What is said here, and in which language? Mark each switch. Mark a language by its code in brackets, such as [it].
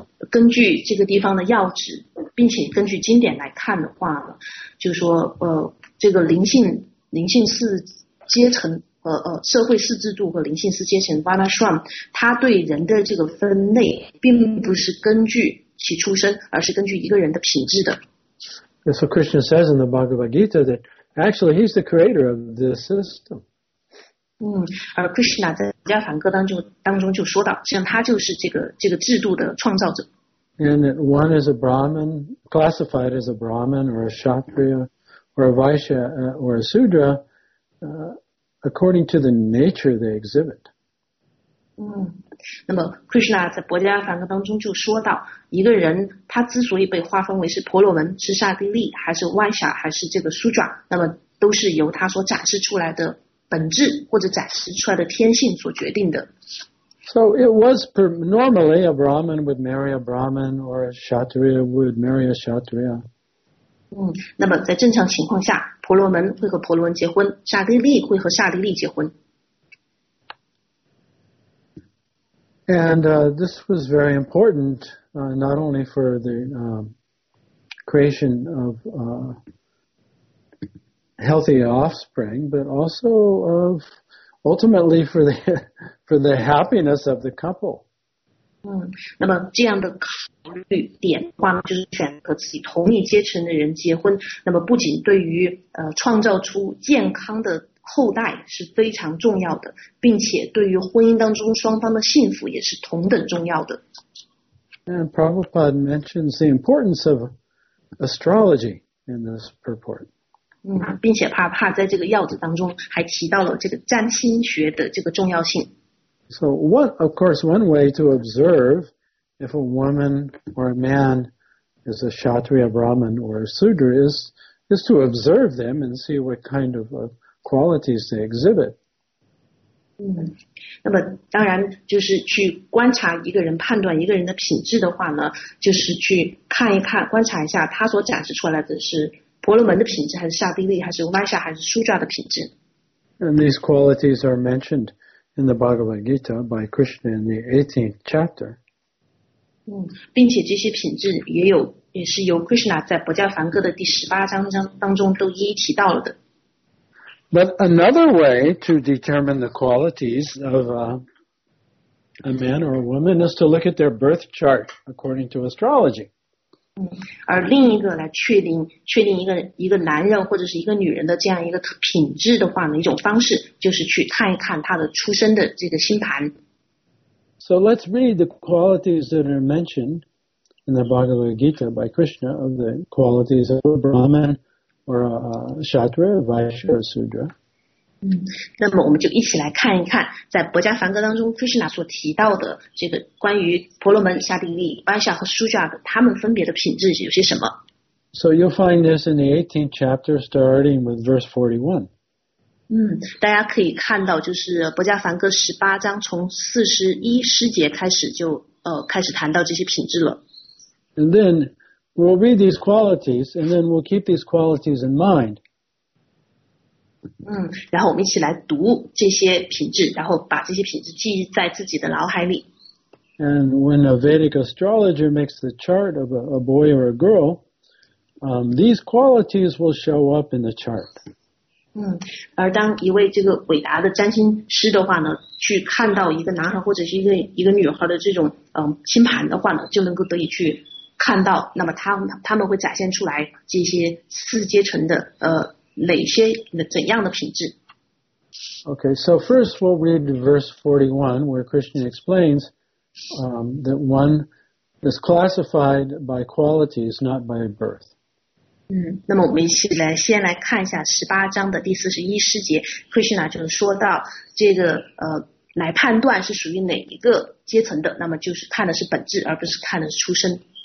[zh] 根据这个地方的要旨并且根据经典来看的话呢就说这个灵性四阶层社会四制度和灵性四阶层 Varnashram 它对人的这个分类并不是根据其出身而是根据一个人的品质的。 [en] So Krishna says in the Bhagavad Gita that actually he's the creator of the system. [zh] 而 Krishna 在《瑜伽梵歌》当中就说到，实际上他就是这个制度的创造者。 [en] And one is a Brahmin, classified as a Brahmin or a Kshatriya or a Vaishya or a Sudra, according to the nature they exhibit. [zh] 那么 Krishna 在《瑜伽梵歌》当中就说到，一个人他之所以被划分为是婆罗门、是刹帝利还是 Vaishya 还是这个 Sudra， 那么都是由他所展示出来的。本质或者展示出来的天性所决定的。 [en] So it was normally a Brahmin would marry a Brahmin or a Kshatriya would marry a Kshatriya. [zh] 那么在正常情况下，婆罗门会和婆罗门结婚，刹帝利会和刹帝利结婚。 [en] And this was very important, not only for the creation of. Healthy offspring, but also of ultimately for the happiness of the couple. [zh] 那么这样的考虑点的话呢，就是选和自己同一阶层的人结婚。那么不仅对于创造出健康的后代是非常重要的，并且对于婚姻当中双方的幸福也是同等重要的。 [en] And Prabhupada mentions the importance of astrology in this purport. [zh] 并且帕在这个要旨当中还提到了这个占星学的这个重要性。 [en] So, what, of course, one way to observe if a woman or a man is a Kshatriya Brahmin or a Sudra is to observe them and see what kind of qualities they exhibit. [zh] 那么当然就是去观察一个人判断一个人的品质的话呢就是去看一看观察一下他所展示出来的是婆罗门的品质，还是刹帝利，还是歪下，还是苏扎的品质。 [en] And these qualities are mentioned in the Bhagavad Gita by Krishna in the 18th chapter. [zh] 并且这些品质也是由 Krishna 在《薄伽梵歌》的第十八章当中都一一提到了的。 [en] But another way to determine the qualities of a man or a woman is to look at their birth chart according to astrology. [zh] 而另一个来确定一个男人或者是一个女人的这样一个品质的话呢，一种方式就是去看一看他的出生的这个星盘。 [en] So let's read the qualities that are mentioned in the Bhagavad Gita by Krishna of the qualities of a Brahman. Or Kshatriya, Vaishya, or Sudra. [zh] 那么我们就一起来看一看，在《薄伽梵歌》当中 ，Krishna 所提到的这个关于婆罗门、刹帝利、Vaishya 和 Sudra 的他们分别的品质有些什么。 [en] So you'll find this in the 18th chapter, starting with verse 41. [zh] 大家可以看到，就是《薄伽梵歌》十八章从四十一诗节开始就开始谈到这些品质了。 [en] And then. We'll read these qualities, and then we'll keep these qualities in mind. [zh] 然后我们一起来读这些品质，然后把这些品质记忆在自己的脑海里。 [en] And when a Vedic astrologer makes the chart of a boy or a girl, these qualities will show up in the chart. [zh] 而当一位这个伟大的占星师的话呢，去看到一个男孩或者是一个女孩的这种星盘的话呢，就能够得以去。看到，那么他们会展现出来这些四阶层的哪些怎样的品质 [en] ？Okay, so first we'll read verse 41, where Krishna explains that one is classified by qualities, not by birth. [zh] 那么我们先来看一下十八章的第四十一诗节 ，Krishna 就说到这个来判断是属于哪一个阶层的，那么就是看的是本质，而不是看的是出身。